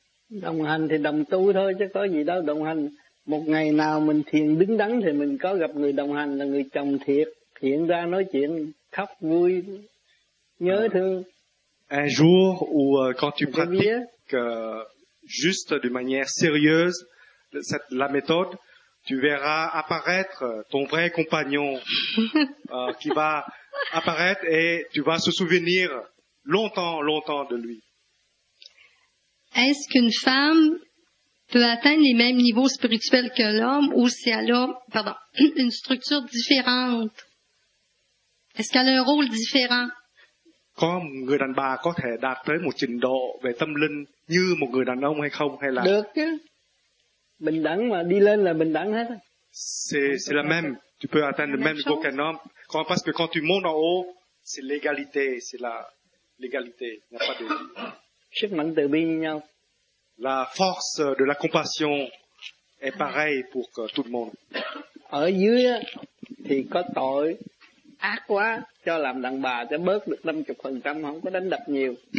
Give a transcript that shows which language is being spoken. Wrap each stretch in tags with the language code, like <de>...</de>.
<vi>đồng hành thì đồng tu thôi chứ có gì đâu đồng hành. Một ngày nào mình thiền đứng đắn thì mình có gặp người đồng hành là người chồng thiệt, hiện ra nói chuyện khóc vui nhớ thương.</vi> <fr>Un jour où quand tu pratiques juste de manière sérieuse la méthode, tu verras apparaître ton vrai compagnon qui va apparaître et tu vas se souvenir longtemps de lui. Est-ce qu'une femme peut atteindre les mêmes niveaux spirituels que l'homme ou si elle a, pardon, une structure différente? Est-ce qu'elle a un rôle différent?</fr> <vi>Có người đàn bà có thể đạt tới một trình độ về tâm linh như một người đàn ông hay không? Hay là... Được chứ. Bình đẳng mà đi lên là bình đẳng hết.</vi> <fr>C'est la même. Tu peux atteindre le même niveau qu'un homme. Quand, parce que quand tu montes en haut, c'est l'égalité. C'est la l'égalité. Il n'y a pas de...</fr> <vi>Sức mạnh từ bi như nhau.</vi> <fr>La force de la compassion est pareil pour tout le monde.</fr> <vi>Ở dưới thì có tội ác quá, cho làm đàn bà sẽ bớt được 50%, không có đánh đập nhiều.</vi>